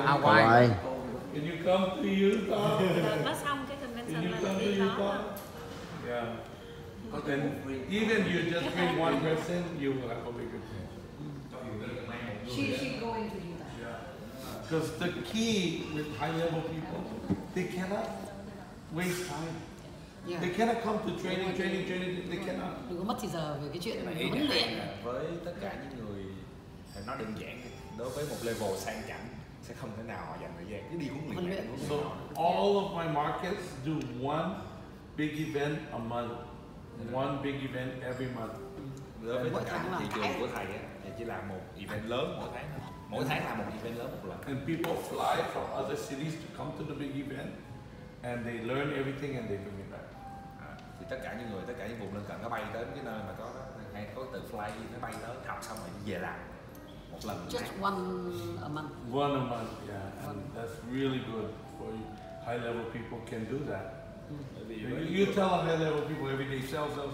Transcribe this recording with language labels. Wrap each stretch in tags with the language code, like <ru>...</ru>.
<en>Hawaii. Can you come to Utah?</en> <vi>Nó xong cái convention là đi đó.</vi> <en>Yeah. Yeah. Even you just bring one person, you will have a bigger chance. She going to Utah. Yeah. Because the key with high level people, they cannot waste time. Yeah. They cannot come to training, they cannot.</en> <vi>Đừng có mất thì giờ về cái chuyện huấn luyện. Với tất cả những người, nó đơn giản, đối với một level sang chảnh, sẽ không thể nào họ dành thời gian, cứ đi huấn luyện.</vi> <en>So all of my markets do one big event a month, one big event every month.</en> <vi>Đối với tất cả những thị trường của thầy, thì chỉ làm một event lớn mỗi tháng. Mỗi tháng làm một event lớn một lần.</vi> <en>And people fly from other cities to come to the big event. And they learn everything and they bring it back.</en> <vi>Thì tất cả những người, tất cả những vùng lân cận nó bay tới cái nơi mà có hay có từ fly nó bay tới học xong rồi về làm một lần.</vi> <en>Just one a month. One a month, yeah. And that's really good for high level people can do that. You tell a high level people every day sell.</en>